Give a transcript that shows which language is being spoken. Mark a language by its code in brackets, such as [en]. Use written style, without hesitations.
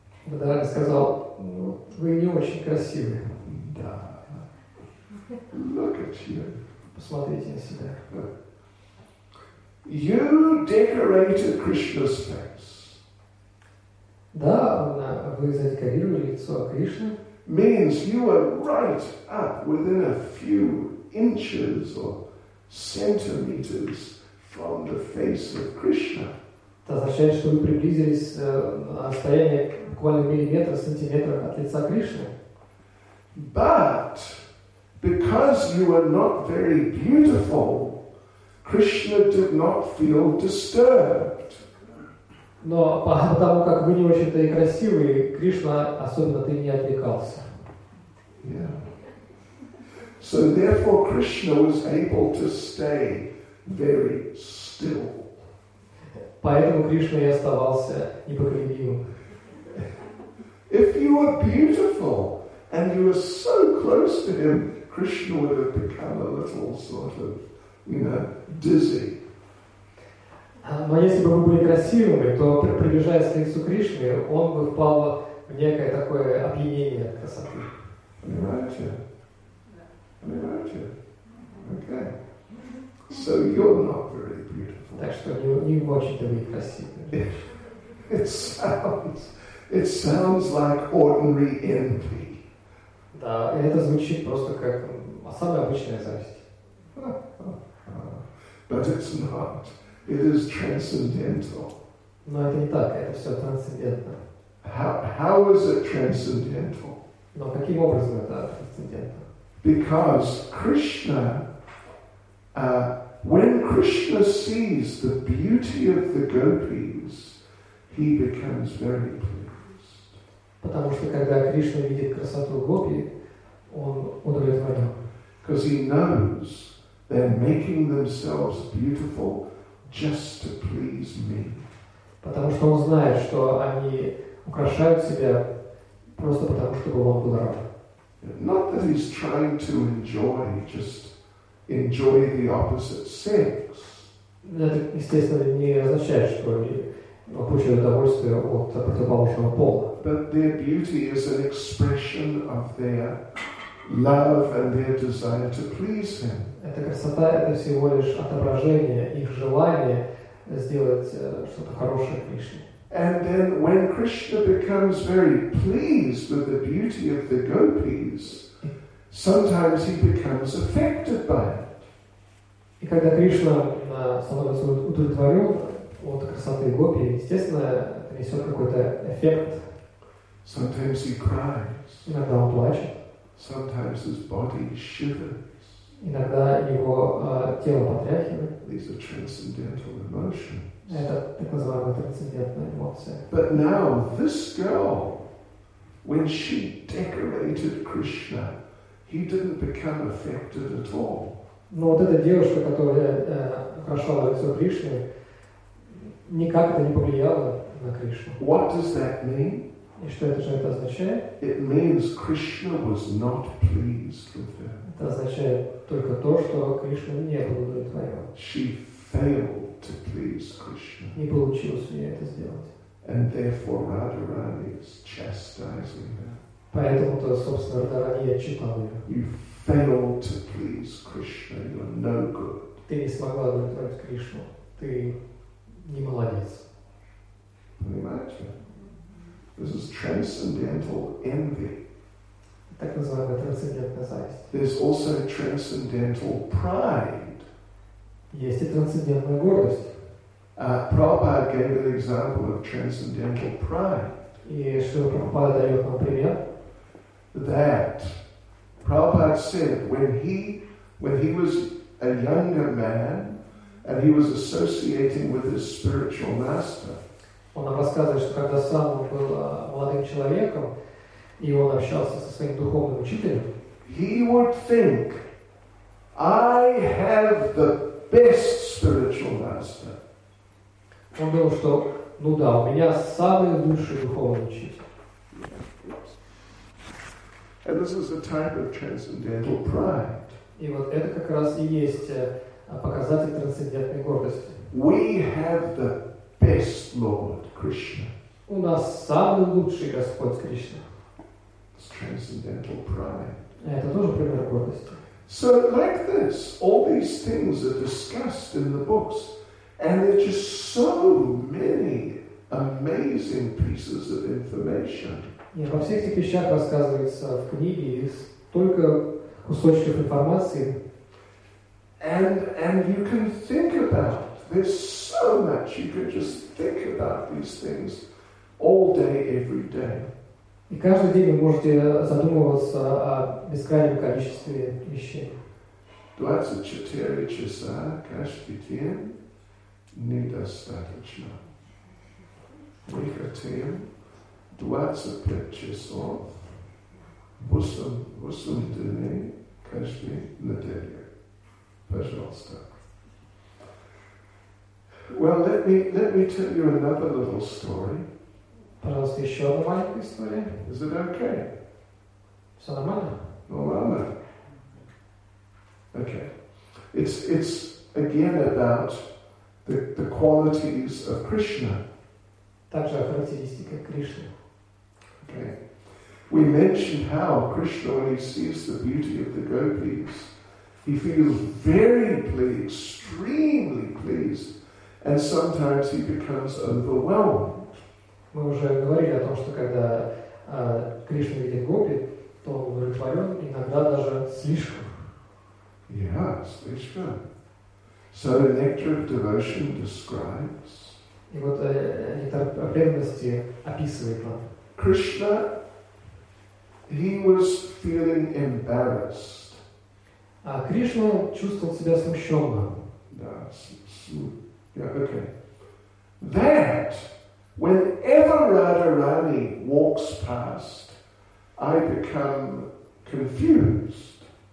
[ru] Радхарани сказал, "Вы не очень красивы." Да. [en] Look at you. [ru] Посмотрите на себя. [en] You decorated Krishna's face. [ru] Да, вы задекорировали лицо Кришны. [en] Means you are right up within a few inches or centimeters from the face of Krishna. [ru] Это означает, что вы приблизились на расстояние буквально миллиметра, сантиметра от лица Кришны. [en] But because you are not very beautiful, Krishna did not feel disturbed. [ru] Но потому как вы не очень-то и красивые, Кришна особенно-то и не отвлекался. [en] So therefore Krishna was able to stay very still. [ru] Поэтому Кришна и оставался непоколебимым. [en] If you were beautiful and you were so close to him, Krishna would have become a little sort of, you know, dizzy. [ru] Но если бы вы были красивыми, то приближаясь к лицу Кришны, он бы впал в некое такое опьянение от красоты. Понимаете? [en] Okay. So you're not very beautiful. [ru] Так что не очень-то вы красивы. [en] It sounds like ordinary envy. [ru] Да, это звучит просто как самая обычная зависть. [en] But it's not. It is transcendental. [ru] Но это не так. Это все трансцендентно. [en] How is it transcendental? [ru] Но каким образом это трансцендентно? [en] Because Krishna, when Krishna sees the beauty of the gopis, he becomes very pleased. [ru] Потому что когда Кришна видит красоту гопи, он удовлетворен. [en] Because he knows they're making themselves beautiful just to please me. [ru] Потому что он знает, что они украшают себя просто потому, чтобы он был рад. [en] Not that he's trying to just enjoy the opposite sex. [ru] Это, естественно, не означает, что они получают удовольствие от противоположного пола. [en] But their beauty is an expression of their love and their desire to please him. [ru] Эта красота – это всего лишь отображение их желания сделать что-то хорошее Кришне. [en] And then when Krishna becomes very pleased with the beauty of the gopis, sometimes he becomes affected by it. [ru] И когда Кришна становится удовлетворен от красоты гопи, естественно, это несет какой-то эффект. [en] Sometimes he cries. [ru] Иногда он плачет. [en] Sometimes his body shivers. [ru] Иногда его тело потряхивает. [en] These are transcendental emotions. [ru] Это так называемая трансцендентная эмоция. [en] But now this girl, when she decorated Krishna, he didn't become affected at all. [ru] Но вот эта девушка, которая украшала лицо Кришны, никак это не повлияло на Кришну. [en] What does that mean? [ru] И что это же это означает? [en] It means Krishna was not pleased with her. [ru] Это означает только то, что Кришна не был удовлетворен. [en] She failed to please Krishna. [ru] Не получилось у нее это сделать. [en] And therefore Radharani is chastising her. [ru] Поэтому то, собственно, Радхарани отчитал ее. [en] You failed to please Krishna. You're no good. [ru] Ты не смогла удовлетворить Кришну. Ты не молодец. Понимаете? [en] This is transcendental envy. [ru] Так называемая трансцендентная зависть. [en] There's also transcendental pride. [ru] Есть и трансцендентная гордость. [en] Prabhupada gave an example of transcendental pride. [ru] И что Прабхупада дает нам пример? [en] That Prabhupada said when he was a younger man and he was associating with his spiritual master. [ru] Он нам рассказывает, что когда сам он был молодым человеком, и он общался со своим духовным учителем, [en] he would think, I have the best spiritual master. [ru] Он думал, что, ну да, у меня самый лучший духовный учитель. [en] And this is a type of transcendental pride. [ru] И вот это как раз и есть показатель трансцендентной гордости. [en] We have the best Lord Krishna. [ru] У нас самый лучший Господь Кришна. [en] It's transcendental pride. [ru] Это тоже пример гордости. [en] So like this, all these things are discussed in the books, and there are just so many amazing pieces of information. [ru] И обо всех этих вещах рассказывается в книге, и столько кусочков информации. [en] And you can think about it. There's so much you can just think about these things all day, every day. [ru] И каждый день вы можете задумываться о бескрайнем количестве вещей. 24 часа каждый день недостаточно. Мы хотим 25 часов 8 дней каждую неделю. Пожалуйста. [en] Well, let me tell you another little story. [ru] Пожалуйста, еще одна маленькая история. [en] Is it okay? [ru] Все нормально? Нормально. [en] Okay. It's again about the qualities of Krishna. [ru] Также о характеристиках Кришны. [en] Okay. We mentioned how Krishna, when he sees the beauty of the gopis, he feels very pleased, extremely pleased, and sometimes he becomes overwhelmed. [ru] Мы уже говорили о том, что когда Кришна видит гопи, то он удовлетворен, иногда даже слишком. [en] Yeah, [ru] слишком. [en] So the nectar of devotion describes. [ru] И вот нектар преданности описывает нам. [en] Krishna, he was feeling embarrassed. [ru] А Кришна чувствовал себя смущенным. Да, [en] yeah, okay. That whenever Radharani walks past, I become confused.